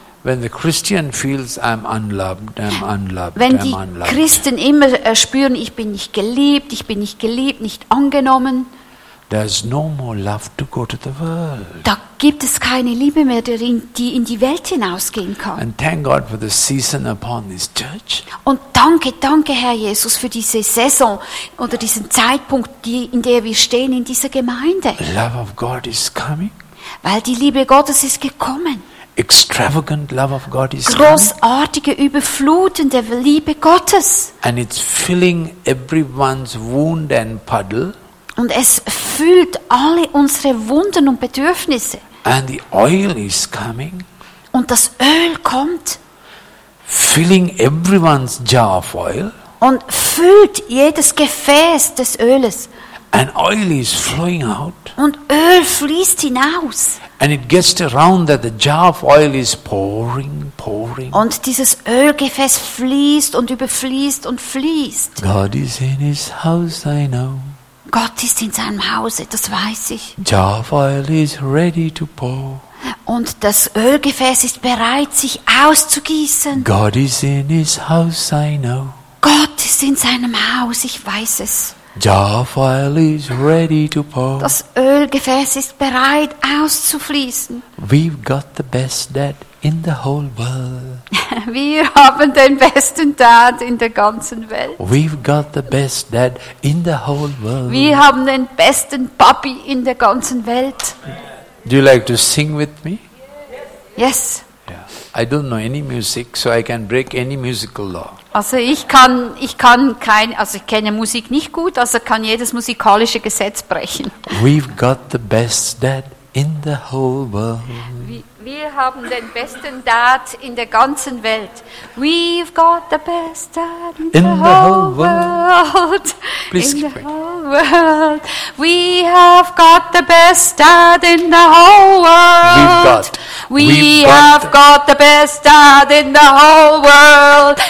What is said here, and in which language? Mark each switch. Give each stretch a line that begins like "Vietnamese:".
English: When the Christian feels I'm unloved.
German: Wenn die Christen immer spüren, ich bin nicht geliebt, nicht angenommen.
English: There's no more love to go to the world.
German: Da gibt es keine Liebe mehr, die in die Welt hinausgehen kann.
English: And thank God for the season upon this church.
German: Und danke, Herr Jesus, für diese Saison oder diesen Zeitpunkt, in der wir stehen in dieser Gemeinde.
English: The love of God is coming.
German: Weil die Liebe Gottes ist gekommen.
English: Extravagant love of God is
German: großartige, überflutende Liebe Gottes.
English: And it's filling everyone's wound and puddle.
German: Und es füllt alle unsere Wunden und Bedürfnisse.
English: And the oil is coming.
German: Und das Öl kommt.
English: Filling everyone's jar of oil.
German: Und füllt jedes Gefäß des Öles.
English: And oil is flowing out.
German: Und Öl fließt hinaus.
English: And it gets around that the jar of oil is pouring.
German: Und dieses Ölgefäß fließt und überfließt und fließt.
English: God is in his house, I know.
German: Gott ist in seinem Hause, das weiß ich.
English: Jar of oil is ready to pour.
German: Und das Ölgefäß ist bereit, sich auszugießen.
English: God is in his house, I know.
German: Gott ist in seinem Haus, ich weiß es.
English: Jar of oil is ready to pour.
German: Das Ölgefäß ist bereit, auszufließen.
English: We've got the best dad in the whole world.
German: Wir haben den besten Dad in der ganzen Welt.
English: We've got the best dad in the whole world.
German: Wir haben den besten Papi in der ganzen Welt.
English: Do you like to sing with me? Yes. Yeah. I don't know any music, so I can break any musical law.
German: Also ich kenne Musik nicht gut, also kann jedes musikalische Gesetz brechen.
English: We've got the best dad in the whole world.
German: Wir haben den besten Dad in der ganzen Welt.
English: We've got the best dad in the whole world. Please in keep the whole world. We have got the best dad in the whole world. We have got the best dad in the whole world.